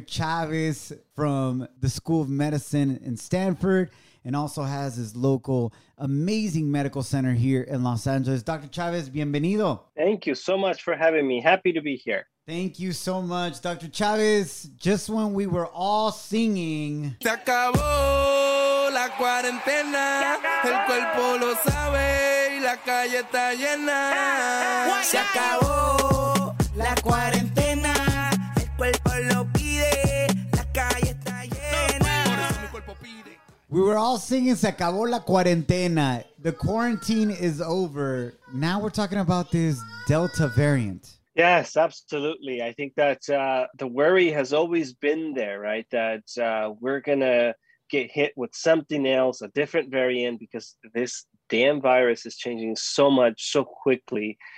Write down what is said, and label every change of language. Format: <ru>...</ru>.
<en>Chavez from the School of Medicine in Stanford, and also has his local amazing medical center here in Los Angeles.</en> <es>Dr. Chavez, bienvenido.</es> <en>Thank you so much for having me. Happy to be here. Thank you so much, Dr. Chavez. Just when we were all singing,</en> <es>se acabó la cuarentena, el cuerpo lo sabe y la calle está llena. Se acabó la cuarentena, el cuerpo lo pide, la calle está llena.</es> <en>We were all singing,</en> <es>se acabó la cuarentena.</es> <en>The quarantine is over. Now we're talking about this Delta variant. Yes, absolutely. I think that the worry has always been there, right? That we're going to get hit with something else, a different variant, because this damn virus is changing so much, so quickly.</en>